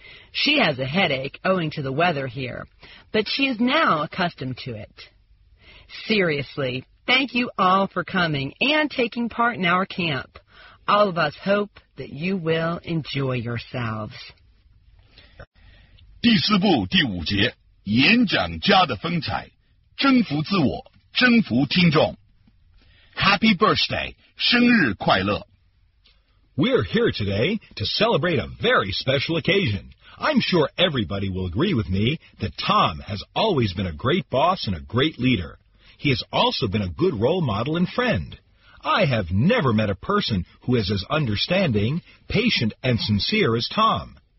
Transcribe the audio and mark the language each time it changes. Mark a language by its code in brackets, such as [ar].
[en] She has a headache owing to the weather here, but she is now accustomed to it. Seriously, thank you all for coming and taking part in our camp. All of us hope that you will enjoy yourselves. [zh] 第四部第五节, 演讲家的风采, 征服自我, 征服听众。 [en] Happy birthday, [zh] 生日快乐。 [en] We're here today to celebrate a very special occasion. I'm sure everybody will agree with me that Tom has always been a great boss and a great leader. He has also been a good role model and friend. I have never met a person who is as understanding, patient, and sincere as Tom.